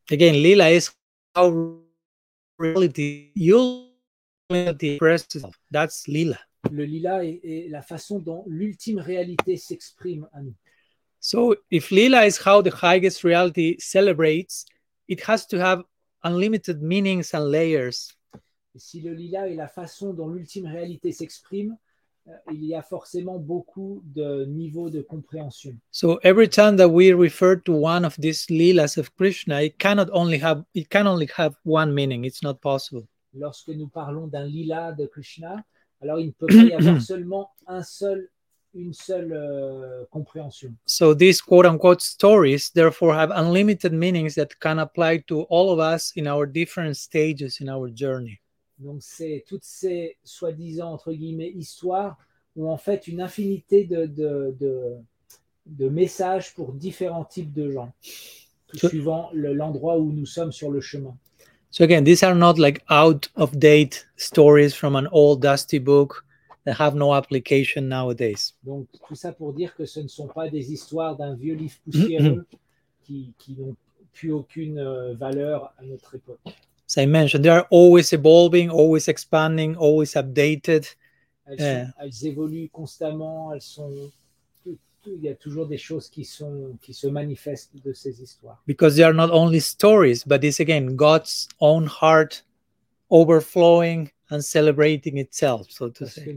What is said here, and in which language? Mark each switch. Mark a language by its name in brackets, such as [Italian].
[English] Again, lila is how reality you express itself. That's lila. [French] Le lila est la façon dont l'ultime réalité s'exprime à nous. [English] So, if lila is how the highest reality celebrates, it has to have unlimited meanings and layers. [French] Et si le lila est la façon dont l'ultime réalité s'exprime, il y a forcément beaucoup de niveaux de compréhension. [English] So every time that we refer to one of these lilas of Krishna, it can only have one meaning. It's not possible. [French] Lorsque nous parlons d'un lila de Krishna, alors il ne peut pas y avoir seulement une seule compréhension. [English] So these quote unquote stories therefore have unlimited meanings that can apply to all of us in our different stages in our journey. [French] Donc c'est toutes ces soi-disant entre guillemets histoires ont en fait une infinité de messages pour différents types de gens suivant l'endroit où nous sommes sur le chemin. [English] So again, these are not like out of date stories from an old dusty book that have no application nowadays. [French] Donc tout ça pour dire que ce ne sont pas des histoires d'un vieux livre poussiéreux mm-hmm. qui n'ont plus aucune valeur à notre époque. [English] As I mentioned, they are always evolving, always expanding, always updated. [French] Elles évoluent constamment. Il y a toujours des choses qui se manifestent de ces histoires. [English] Because they are not only stories, but it's again God's own heart overflowing and celebrating itself, so to say.